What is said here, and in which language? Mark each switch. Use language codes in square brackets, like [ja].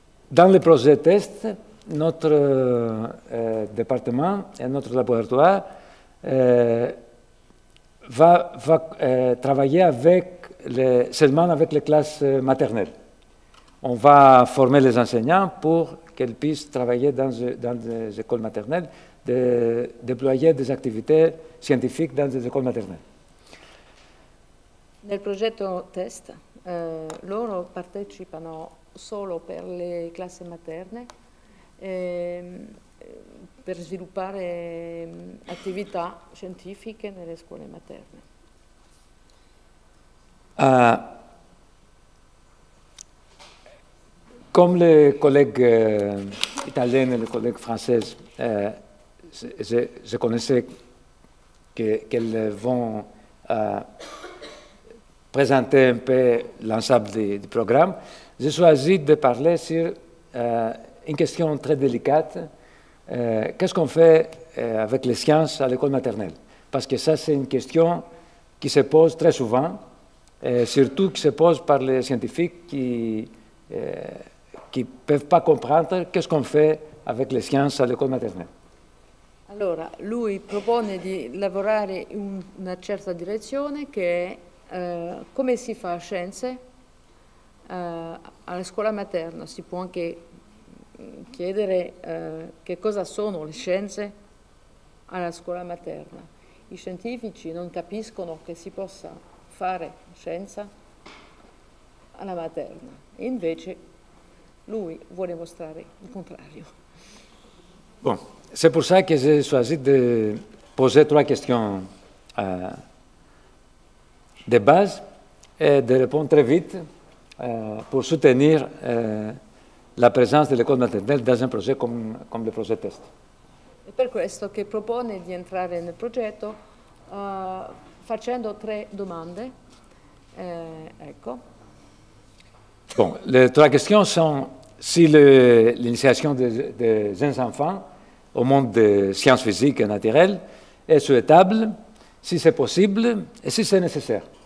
[fr] Dans le projet test, notre département et notre laboratoire va travailler seulement avec les classes maternelles. On va former les enseignants pour qu'ils puissent travailler dans les écoles maternelles, déployer des activités scientifiques dans les écoles maternelles. [it] Nel progetto test, loro partecipano solo per le classi materne. Per sviluppare attività scientifiche nelle scuole materne. Come le colleghe italiane e le colleghe francesi, [fr] je connaissais qu'elles vont présenter un peu l'ensemble du programme, j'ai choisi de parler sur. Une question très délicate, qu'est-ce qu'on fait avec les sciences à l'école maternelle? Parce que ça, c'est une question qui se pose très souvent, surtout qui se pose par les scientifiques qui ne peuvent pas comprendre qu'est-ce qu'on fait avec les sciences à l'école maternelle. [it] Alors, lui propone di lavorare in una certa direzione che è come si fa a scienze alla scuola materna, si può anche chiedere che cosa sono le scienze alla scuola materna. I scientifici non capiscono che si possa fare scienza alla materna. Invece lui vuole mostrare il contrario. [fr] Bon, c'est pour ça que j'ai choisi de poser 3 questions de base et de répondre très vite pour soutenir [it] la presenza dell' [fr] école maternelle dans un projet comme le projet test. [it] È per questo che propone di entrare nel progetto facendo 3 domande. Ecco. [fr] Bon, le 3 questions sont si l'initiation des jeunes enfants au monde des sciences physiques et naturelles est souhaitable, si c'est possible et si c'est nécessaire.